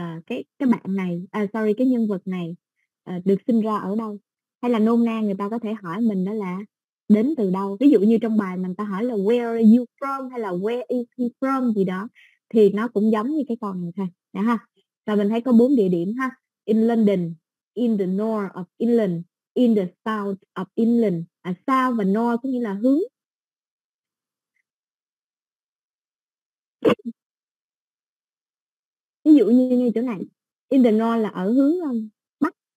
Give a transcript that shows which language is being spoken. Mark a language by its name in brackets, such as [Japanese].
[Vietnamese] Cái nhân vật này được sinh ra ở đâu? Hay là nôm na người ta có thể hỏi mình đó là đến từ đâu? Ví dụ như trong bài mình ta hỏi là [English] where are you from? [Vietnamese] Hay là [English] where is he from? [Vietnamese] Gì đó. thì nó cũng giống như cái con này thôi. Đã ha. Và mình thấy có bốn địa điểm ha. [English] In London, in the north of England, in the south of England. [Vietnamese] À, south và north có nghĩa là hướng. Ví dụ như ngay chỗ này, [English] in the north [Vietnamese] là ở hướng bắc.